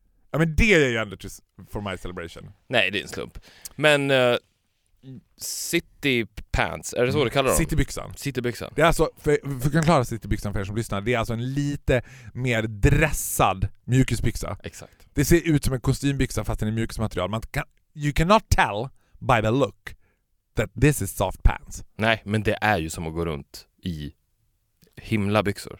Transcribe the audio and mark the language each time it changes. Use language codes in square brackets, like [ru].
[sv] Ja, men det är ju ändå just [en] for my celebration. [sv] Nej, det är en slump. Men city pants, är det så du kallar dem? Citybyxan. Citybyxan. Det är alltså, för att klara citybyxan för er som lyssnar, det är alltså en lite mer dressad mjukisbyxa. Exakt. Det ser ut som en kostymbyxa fast den är mjukismaterial. Man kan, [en] you cannot tell by the look that this is soft pants. [sv] Nej, men det är ju som att gå runt i himlabyxor.